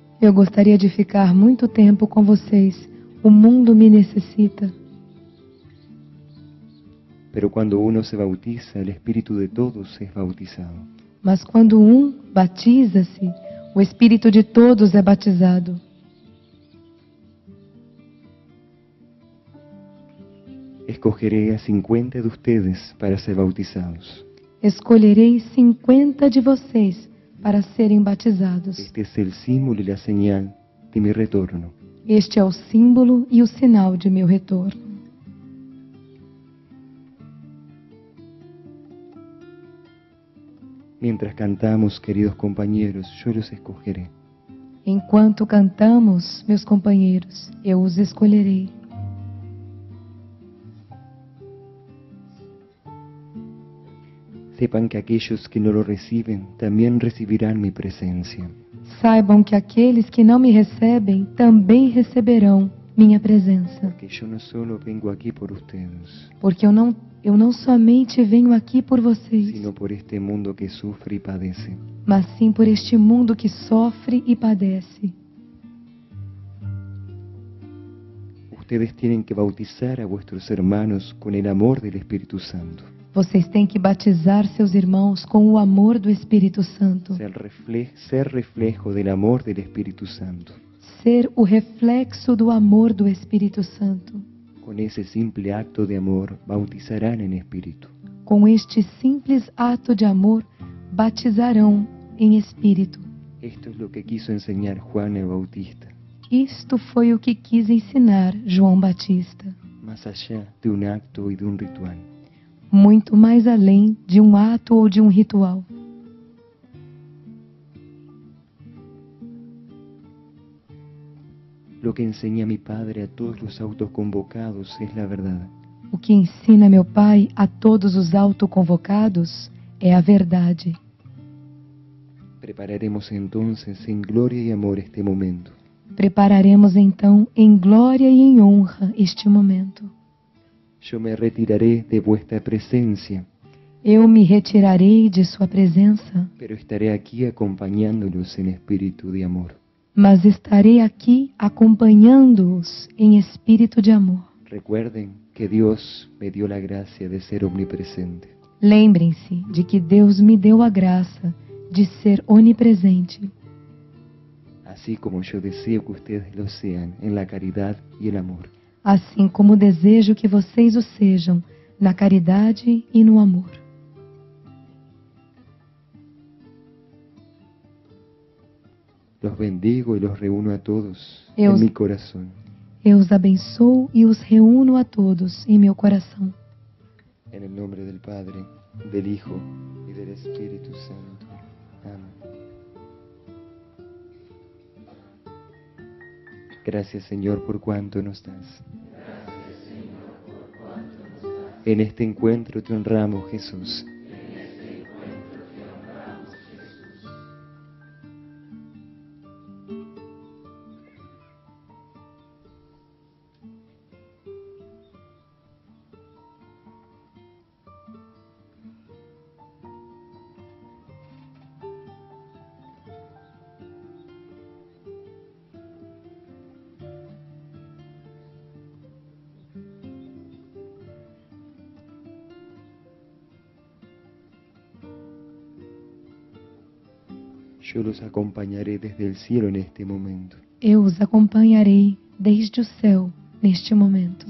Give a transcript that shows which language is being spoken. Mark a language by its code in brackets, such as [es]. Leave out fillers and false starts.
[pt] Eu gostaria de ficar muito tempo com vocês. O mundo me necessita. [es] Pero cuando uno se bautiza, el espíritu de todos es bautizado. [pt] Mas quando um batiza-se, o espírito de todos é batizado. [es] Escogeré a 50 de ustedes para ser bautizados. [pt] Escolherei 50 de vocês para serem batizados. [es] Este es el símbolo y la señal de mi retorno. [pt] Este é o símbolo e o sinal de meu retorno. [es] Mientras cantamos, queridos compañeros, yo los escogeré. [pt] Enquanto cantamos, meus companheiros, eu os escolherei. [es] Sepan que aquellos que no lo reciben también recibirán mi presencia. [pt] Saibam que aqueles que não me recebem também receberão minha presença. [es] Porque yo no solo vengo aquí por ustedes. [pt] Porque eu não somente venho aqui por vocês, [es] sino por este mundo que sufre y padece. [pt] Mas sim por este mundo que sofre e padece. [es] Ustedes tienen que bautizar a vuestros hermanos con el amor del Espíritu Santo. [pt] Vocês têm que batizar seus irmãos com o amor do Espírito Santo. [es] Ser reflejo del amor del Espíritu Santo. [pt] Ser o reflexo do amor do Espírito Santo. [es] Con ese simple acto de amor bautizarán en espíritu. [pt] Com este simples ato de amor batizarão em espírito. [es] Esto es lo que quiso enseñar Juan el Bautista. [pt] Isto foi o que quis ensinar João Batista. [es] Más allá de un acto y de un ritual. [pt] Muito mais além de um ato ou de um ritual. [es] Lo que enseña mi padre a todos los autoconvocados es la verdad. [pt] O que ensina meu pai a todos os autoconvocados é a verdade. [es] Prepararemos entonces en gloria y amor este momento. [pt] Prepararemos então em glória e em honra este momento. [es] Yo me retiraré de vuestra presencia. [pt] Eu me retirarei de sua presença. [es] Pero estaré aquí acompañándolos en espíritu de amor. [pt] Mas estarei aqui acompanhando-os em espírito de amor. [es] Recuerden que Dios me dio la gracia de ser omnipresente. [pt] Lembrem-se de que Deus me deu a graça de ser onipresente. [es] Así como yo deseo que ustedes lo sean en la caridad y el amor. [pt] Assim como desejo que vocês o sejam, na caridade e no amor. [es] Los bendigo e los reúno a todos [pt] em meu coração. Eu os abençoo e os reúno a todos em meu coração. [es] En el nombre del Padre, del Hijo y del Espíritu Santo. Amén. Gracias, Señor, por cuanto nos das. En este encuentro te honramos, Jesús. En este Yo los acompañaré desde el cielo en este momento. [pt] Eu os acompanharei desde o céu neste momento.